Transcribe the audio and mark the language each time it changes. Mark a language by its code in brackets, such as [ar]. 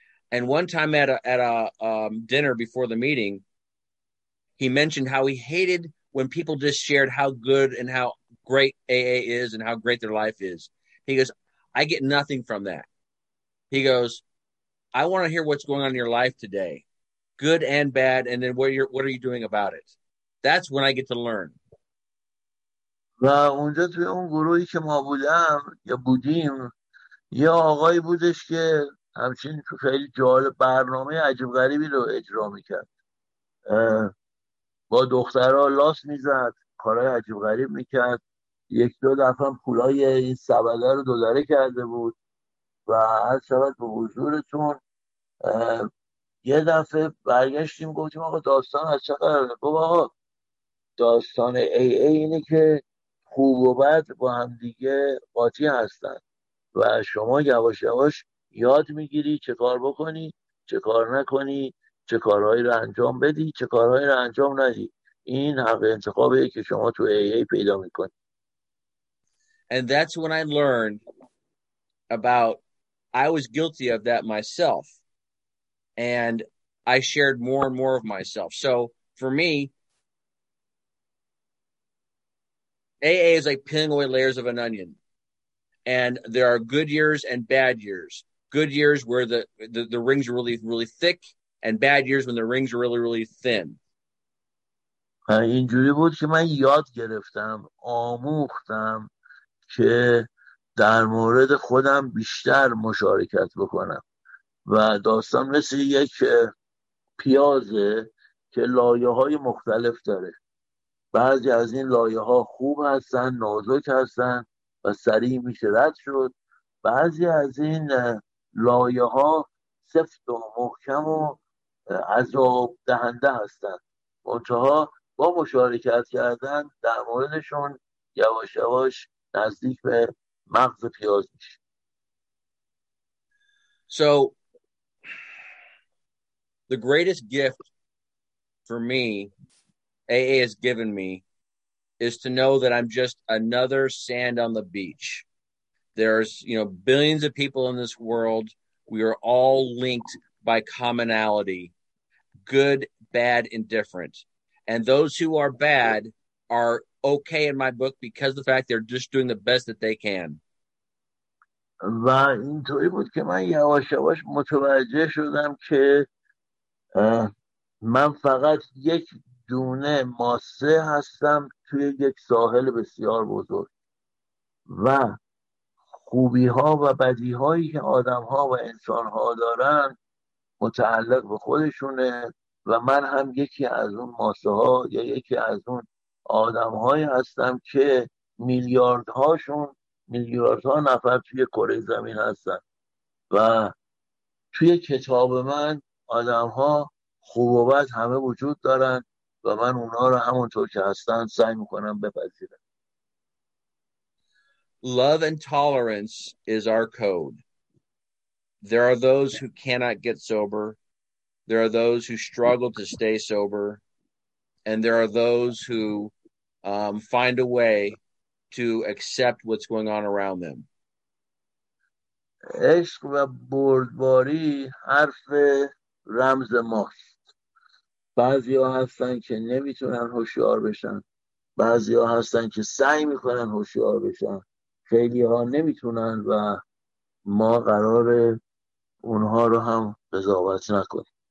[en] And one time at a dinner before the meeting, he mentioned how he hated when people just shared how good and how great AA is and how great their life is. He goes, I get nothing from that. He goes, I want to hear what's going on in your life today, good and bad, and then what are you doing about it? That's when I get to learn. [fa] و اونجا توی اون گروهی که ما بودم یا بودیم یه آقایی بودش که همچین خیلی جالب برنامه عجب غریبی رو اجرا میکرد، با دخترها لاس میزد، کارهای عجب غریب میکرد. یک دو دفعه پولای این سبده رو دلاره کرده بود. و هر شبت به حضورتون یه دفعه برگشتیم گفتیم آقا داستان از چه قراره؟ بابا آقا داستان AA اینه که خوب و بد با هم دیگه قاطی هستن و شما یواش یواش یاد میگیری چه کار بکنی، چه کار نکنی، چه کارهایی رو انجام بدی، چه کارهایی رو انجام ندی. این حق انتخابیه که شما تو AA پیدا میکنی. [en] And that's when I learned about I was guilty of that myself, and I shared more and more of myself. So for me, AA is like peeling away layers of an onion. And there are good years and bad years. Good years where the rings are really, really thick, and bad years when the rings are really, really thin. [fa] اینجوری بود که من یاد گرفتم، آموختم که در مورد خودم بیشتر مشارکت بکنم. و داستان مثل یک پیازه که لایه‌های مختلف داره. بعضی از این لایه‌ها خوب هستن، نازک هستن و سریع میشه رد شد. بعضی از این لایه‌ها سفت و محکم و عذاب دهنده هستن. منتها با مشارکت کردن در موردشون یواش یواش نزدیک به مغز پیاز میشه. [en] So the greatest gift for me AA has given me is to know that I'm just another sand on the beach. There's, you know, billions of people in this world. We are all linked by commonality, good, bad, indifferent. And those who are bad are okay in my book because of the fact they're just doing the best that they can. [fa] و اینطوری بود که من یواش یواش متوجه شدم که من فقط یک دونه ماسه هستم توی یک ساحل بسیار بزرگ و خوبی ها و بدی هایی که آدم ها و انسان ها دارن متعلق به خودشونه و من هم یکی از اون ماسه ها یا یکی از اون آدم هایی هستم که میلیاردها نفر توی کره زمین هستن و توی کتاب من آدم ها خوب و بد همه وجود دارن و من اونا رو همونطور که هستن سعی میکنم بپذیرم. [en] Love and tolerance is our code. There are those who cannot get sober. There are those who struggle to stay sober. And there are those who find a way to accept what's going on around them. [fa] عشق و بردباری حرف رمز ماست. بعضی ها هستن که نمیتونن هوشیار بشن. بعضی ها هستن که سعی میکنن هوشیار بشن. خیلی ها نمیتونن و ما قراره اونها رو هم قضاوت نکنیم.